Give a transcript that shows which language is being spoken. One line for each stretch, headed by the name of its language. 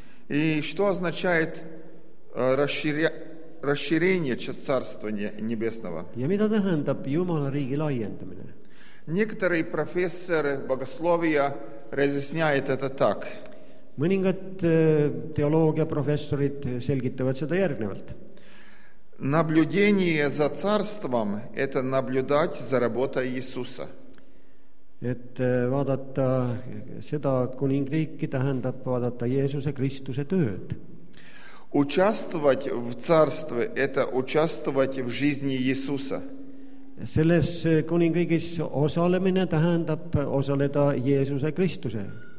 Russian: И что означает расширение Царства Небесного?
Estonian: Ja mida tähendab Jumala riigi laiendamine?
Russian: Некоторые профессоры богословия разъясняют это так.
Estonian: Мынингат теология профессорит selgitavad seda järgnevalt.
Russian: Наблюдение за царством – это наблюдать за работой Иисуса.
Estonian: Et vaadata seda kuningriiki tähendab vaadata Jeesuse Kristuse tööd.
Russian: Участвовать в царстве – это участвовать в жизни Иисуса.
Estonian: Selles kuningriigis osalemine tähendab osaleda Jeesuse Kristuse.